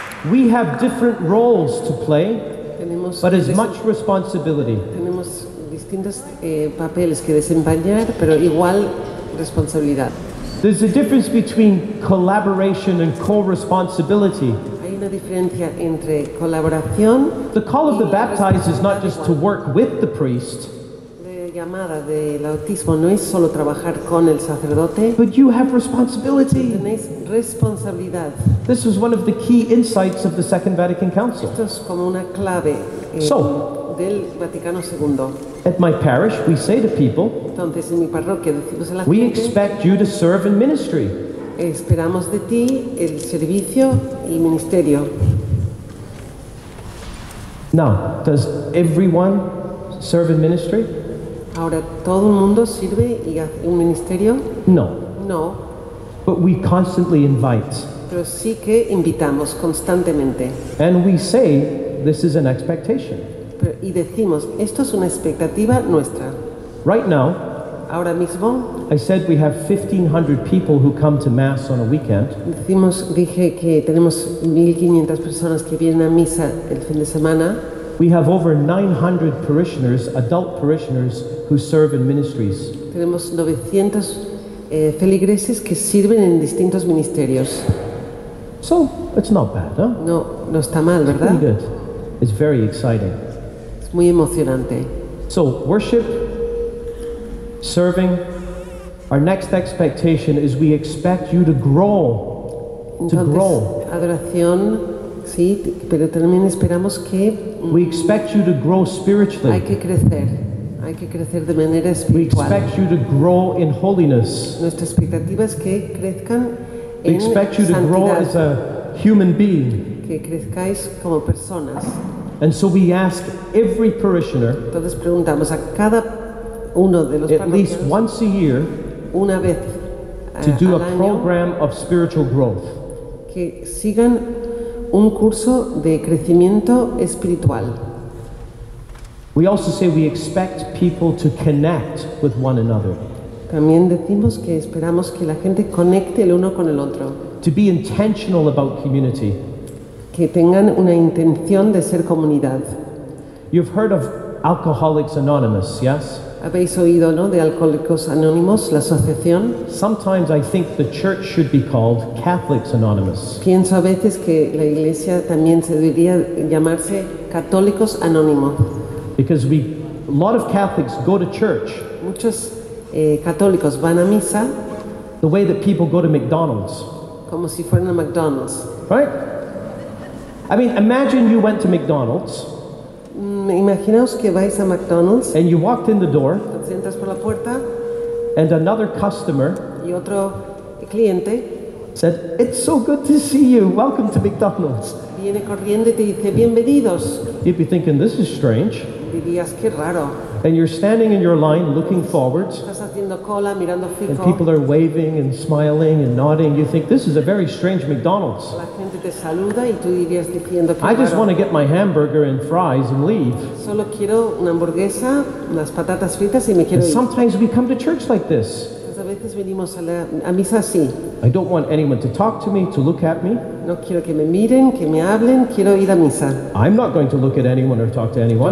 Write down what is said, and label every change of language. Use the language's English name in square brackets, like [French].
[English] We have different roles to play, [Spanish] tenemos [English] but as much responsibility. [Spanish] Tenemos distintos papeles que desempeñar, pero igual responsabilidad. [English] There's a difference between collaboration and co-responsibility. [Spanish] Hay una diferencia entre colaboración. [English] The call of the baptized is not just to work with the priest. [Spanish] La llamada del bautismo no es solo trabajar con el sacerdote. [English] But you have responsibility. [Spanish] Tenéis responsabilidad. [English] This is one of the key insights of the Second Vatican Council. [Spanish] Esto es como una clave del Vaticano II. [English] At my parish, we say to people, [Spanish] entonces, en mi parroquia, decimos a la [English] we [Spanish] gente, [English] expect you to serve in ministry. [Spanish] Esperamos de ti el servicio y ministerio. [English] Now, does everyone serve in ministry? [Spanish] Ahora, ¿todo el mundo sirve y hace un ministerio? [English] No. [Spanish] No. [English] But we constantly invite. [Spanish] Pero sí que invitamos constantemente. [English] And we say, this is an expectation. [Spanish] Y decimos, esto es una expectativa nuestra. [English] Right now, [Spanish] ahora mismo, [English] I said we have 1,500 people who come to Mass on a weekend. [Spanish] Decimos, dije que tenemos 1,500 personas que vienen a misa el fin de semana. [English] We have over 900 parishioners, adult parishioners, who serve in ministries. [Spanish] Tenemos 900 feligreses que sirven en distintos ministerios. [English] So, it's not bad, huh? [Spanish] No, no está mal, ¿verdad? [English] It's pretty good. It's very exciting. [Spanish] Muy emocionante. [English] So, worship, serving, our next expectation is we expect you to grow, [Spanish] entonces, [English] to grow. [Spanish] Adoración, sí, pero también esperamos que [English] we expect you to grow spiritually. [Spanish] Hay que crecer de manera espiritual. [English] We expect you to grow in holiness. [Spanish] Nuestra expectativa es que crezcan en santidad. [English] We expect you [Spanish] santidad. [English] To grow as a human being. [Spanish] Que crezcáis como personas. [English] And so we ask every parishioner [Spanish] entonces preguntamos a cada uno de los [English] at least once a year [Spanish] una vez [English] to do [Spanish] al [English] a [Spanish] año [English] program of spiritual growth. [Spanish] Que sigan un curso de crecimiento espiritual. [English] We also say we expect people to connect with one another. [Spanish] También decimos que esperamos que la gente conecte el uno con el otro. [English] To be intentional about community. [Spanish] Que tengan una intención de ser comunidad. [English] You've heard of Alcoholics Anonymous, yes? [Spanish] ¿Habéis oído, no, de Alcohólicos Anónimos, la asociación? [English] Sometimes I think the church should be called Catholics Anonymous. [Spanish] Pienso a veces que la iglesia también se debería llamarse Católicos Anónimos. [English] Because we, a lot of Catholics go to church. [Spanish] Muchos católicos van a misa. [English] The way that people go to McDonald's. [Spanish] Como si fueran a McDonald's. [English] Right? I mean, imagine you went to McDonald's. [Spanish] Imaginaos que vais a McDonald's. [English] And you walked in the door. [Spanish] Entras por la puerta. [English] And another customer. [Spanish] Y otro cliente. [English] Said, "It's so good to see you. Welcome to McDonald's." [Spanish] Viene corriendo y te dice, "Bienvenidos." [English] You'd be thinking, "This is strange." [Spanish] Dirías, "Qué raro." [English] And you're standing in your line, looking forward. [Spanish] Estás haciendo cola, mirando fijo. [English] And people are waving and smiling and nodding. You think, "This is a very strange McDonald's." [Spanish] Te saluda y tú irías diciendo que [English] I just want to get my hamburger and fries and leave. [Spanish] Solo quiero una hamburguesa, unas patatas fritas y me quiero [English] and [Spanish] ir. [English] Sometimes we come to church like this. [Spanish] A veces venimos a misa así. [English] I don't want anyone to talk to me, to look at me. [Spanish] No quiero que me miren, que me hablen, quiero ir a misa. [English] I'm not going to look at anyone or talk to anyone.